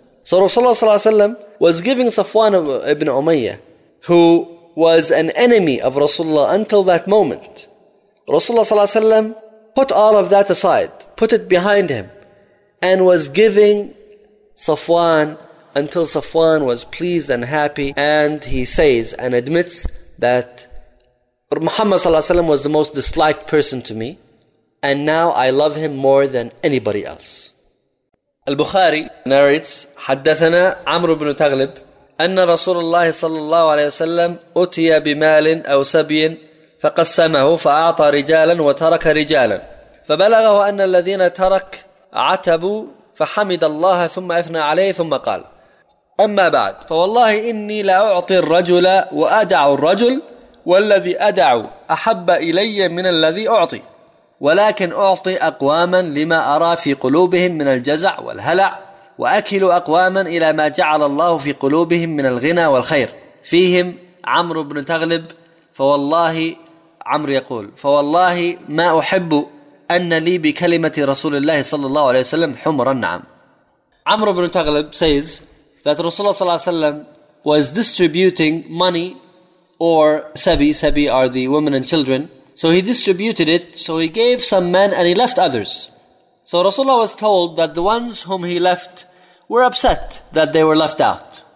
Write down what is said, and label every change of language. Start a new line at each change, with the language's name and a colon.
English: So Rasulullah ﷺ was giving Safwan ibn Umayyah, who was an enemy of Rasulullah until that moment, Rasulullah ﷺ put all of that aside, put it behind him, and was giving Safwan until Safwan was pleased and happy, and he says and admits that Muhammad sallallahu alaihi wasallam was the most disliked person to me, and now I love him more than anybody else. Al-Bukhari narrates,
Arabic: حدثنا عمر بن تغلب أن رسول الله صلى الله عليه وسلم أتي بمال أو سبي فقسمه فأعطى رجالا وترك رجالا فبلغه أن الذين ترك عتبوا فحمد الله ثم أثنى عليه ثم قال أما بعد فوالله إني لأعطي الرجل وأدع الرجل والذي أدع أحب إلي من الذي أعطي ولكن أعطي أقواما لما أرى في قلوبهم من الجزع والهلع وأكل أقواما إلى ما جعل الله في قلوبهم من الغنى والخير فيهم عمرو بن تغلب فوالله عمرو يقول فوالله ما أحب أن لي بكلمة رسول الله صلى الله عليه وسلم حمر النعم.
English: عمر بن تغلب says that Rasulullah صلى الله عليه وسلم was distributing money or sabi are the women and children. So he distributed it, so he gave some men and he left others. So Rasulullah was told that the ones whom he left were upset that they were left out.